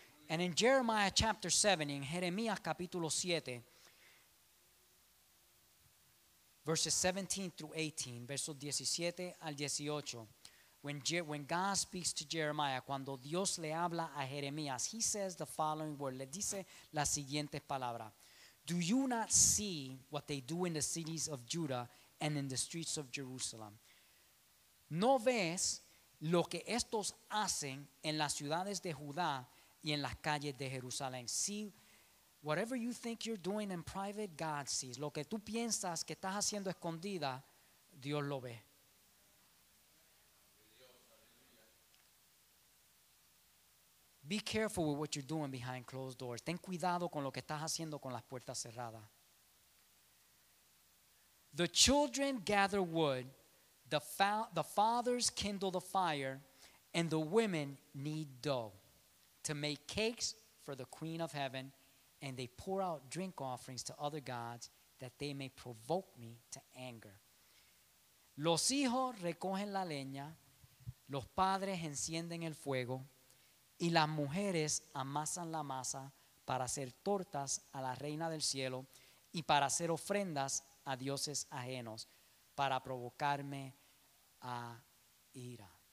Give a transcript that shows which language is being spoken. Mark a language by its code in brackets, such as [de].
[en] And in Jeremiah chapter 7, in [es] Jeremías capítulo 7, [en] verses 17 through 18, [es] versos 17 al 18, [en] when God speaks to Jeremiah, [es] cuando Dios le habla a Jeremías, [en] he says the following word, [es] le dice la siguiente palabra: [en] do you not see what they do in the cities of Judah and in the streets of Jerusalem? [es] ¿No ves lo que estos hacen en las ciudades de Judá y en las calles de Jerusalén? [en] See, whatever you think you're doing in private, God sees. [es] Lo que tú piensas que estás haciendo escondida, Dios lo ve. [en] Be careful with what you're doing behind closed doors. [es] Ten cuidado con lo que estás haciendo con las puertas cerradas. [en] The children gather wood, the fathers kindle the fire, and the women knead dough to make cakes for the queen of heaven. And they pour out drink offerings to other gods that they may provoke me to anger. [es] Los hijos recogen la leña, los padres encienden el fuego, y las mujeres amasan la masa para hacer tortas a la reina del cielo y para hacer ofrendas a dioses ajenos para provocarme a ira.